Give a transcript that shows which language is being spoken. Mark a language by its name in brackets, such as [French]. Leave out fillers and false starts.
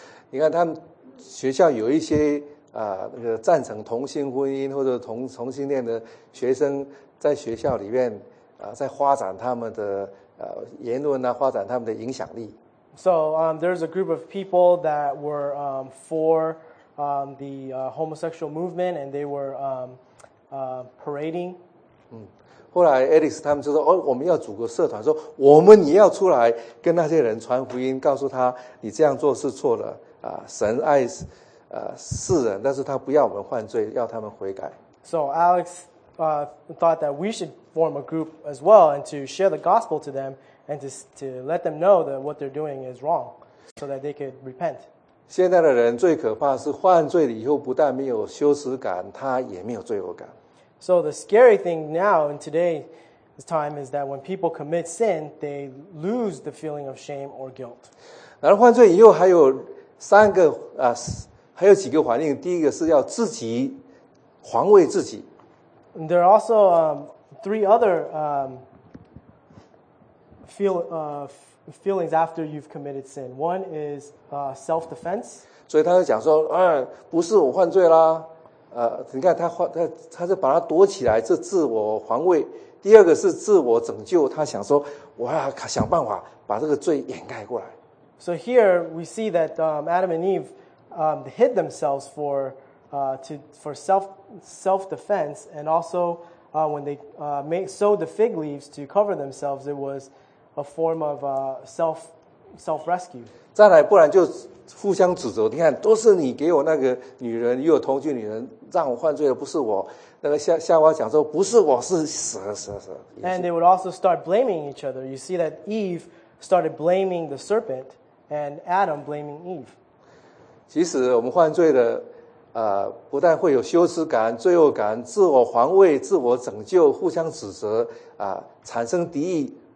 [Chinese] 你看他们学校有一些那个赞成同性婚姻或者同性恋的学生在学校里面在发展他们的言论啊，发展他们的影响力。 [English] So there's a group of people that were for. The homosexual movement, and they were parading. [Chinese] 后来 Alex 他们就说：“哦，我们要组个社团，说我们也要出来跟那些人传福音，告诉他你这样做是错的啊。神爱世人，但是他不要我们犯罪，要他们悔改。” [English] So Alex thought that we should form a group as well and to share the gospel to them and to let them know that what they're doing is wrong, so that they could repent. [Chinese] 现在的人最可怕是犯罪了以后不但没有羞耻感，他也没有罪恶感。 [English] So the scary thing now in today's time is that when people commit sin, they lose the feeling of shame or guilt. [Chinese] 然后犯罪以后还有三个还有几个反应。第一个是要自己防卫自己。 [English] There are also three other feelings after you've committed sin. One is self-defense. [Chinese] 所以他就讲说，不是我犯罪啦，你看他就把他躲起来，是自我防卫。第二个是自我拯救，他想说，我要想办法把这个罪掩盖过来。 [English] So here we see that Adam and Eve hid themselves for self-defense, and also when they sewed the fig leaves to cover themselves, it was. A form of self-rescue. [Chinese] 再来，不然就互相指责。你看，都是你给我那个女人，又有同居女人，让我犯罪的，不是我。那个夏娃讲说，不是我，是蛇。 [English] And they would also start blaming each other. You see that Eve started blaming the serpent, and Adam blaming Eve. [Chinese] 其实我们犯罪的，不但会有羞耻感、罪恶感、自我防卫、自我拯救、互相指责产生敌意。